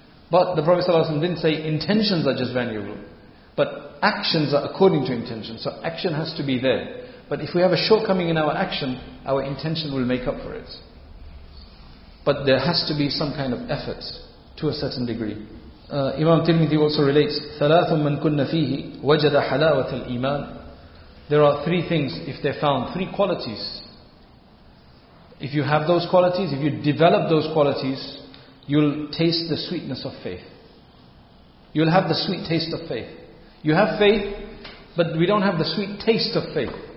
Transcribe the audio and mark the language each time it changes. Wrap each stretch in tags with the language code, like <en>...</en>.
<en>But the Prophet ﷺ didn't say intentions are just valuable. But actions are according to intention. So action has to be there. But if we have a shortcoming in our action, our intention will make up for it. But there has to be some kind of effort to a certain degree. Imam Tirmidhi also relates,</en> <ar>ثَلَاثٌ مَنْ كُنَّ فِيهِ وَجَدَ حَلَاوَةَ الْإِيمَانِ.</ar> <en>There are three things, if they're found, three qualities. If you have those qualities, if you develop those qualities, you'll taste the sweetness of faith. You'll have the sweet taste of faith. You have faith, but we don't have the sweet taste of faith.</en>